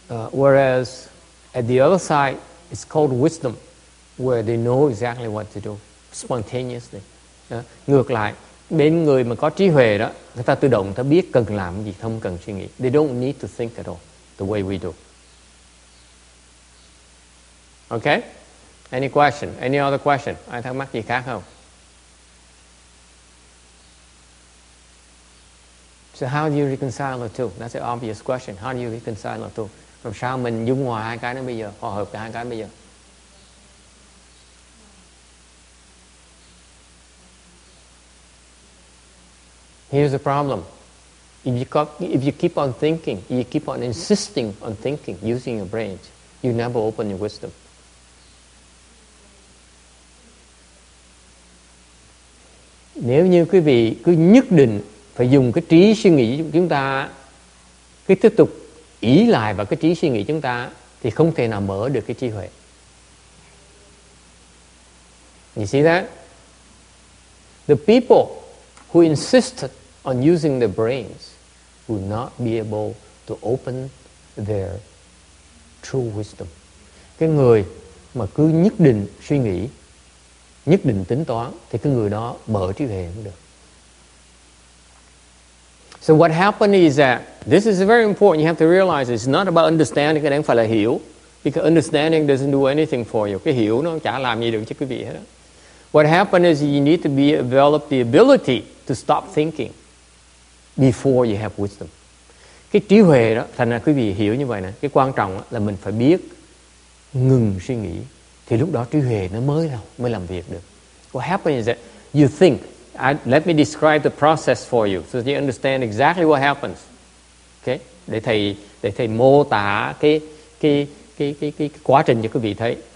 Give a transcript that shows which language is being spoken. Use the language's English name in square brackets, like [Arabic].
[English] Whereas at the other side, it's called wisdom, where they know exactly what to do spontaneously. [Vietnamese] Ngược lại, bên người mà có trí huệ đó, người ta tự động, người ta biết cần làm gì, không cần suy nghĩ. [English] They don't need to think at all, the way we do. Okay? Any question? Any other question? [Vietnamese] Ai thắc mắc gì khác không? [English] So how do you reconcile the two? That's an obvious question. How do you reconcile the two? [Vietnamese] Làm sao mình dung hòa hai cái nó bây giờ, hòa hợp cả hai cái bây giờ? [English] Here's the problem. If you keep on thinking, you keep on insisting on thinking, using your brain, you never open your wisdom. [Vietnamese] Nếu như quý vị cứ nhất định phải dùng cái trí suy nghĩ của chúng ta, cứ tiếp tục ý lại vào cái trí suy nghĩ chúng ta, thì không thể nào mở được cái trí huệ. [English] You see that? The people who insisted on using their brains will not be able to open their true wisdom. [Vietnamese] Cái người mà cứ nhất định suy nghĩ, nhất định tính toán, thì cái người đó mở trí huệ không được. [English] So what happened is that, this is very important, you have to realize it's not about understanding, [Vietnamese] cái này không phải là hiểu, [English] because understanding doesn't do anything for you. [Vietnamese] Cái hiểu nó chả làm gì được cho quý vị hết. [English] What happened is you need to develop the ability to stop thinking before you have wisdom. [Vietnamese] Cái trí huệ đó, thành ra quý vị hiểu như vậy nè, cái quan trọng là mình phải biết ngừng suy nghĩ, thì lúc đó trí huệ nó mới làm việc được. [English] What happened is that you think, let me describe the process for you so you understand exactly what happens. Okay? [Vietnamese] Để thầy mô tả cái quá trình cho quý vị thấy.